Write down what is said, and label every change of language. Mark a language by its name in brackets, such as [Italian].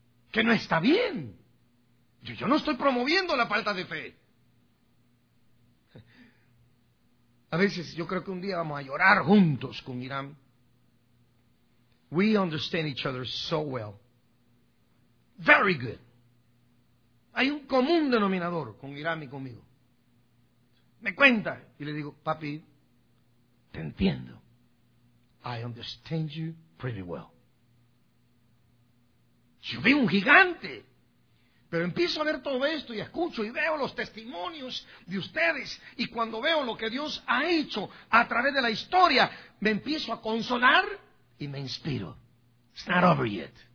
[Spanish] Que no está bien. Yo no estoy promoviendo la falta de fe. A veces yo creo que un día vamos a llorar juntos con Irán. [English] We understand each other so well. Very good. [Spanish] Hay un común denominador con Irán y conmigo. Me cuenta y le digo, papi, te entiendo. [English] I understand you pretty well. [Spanish] Yo vi un gigante. Pero empiezo a ver todo esto y escucho y veo los testimonios de ustedes. Y cuando veo lo que Dios ha hecho a través de la historia, me empiezo a consolar y me inspiro. [English] It's not over yet.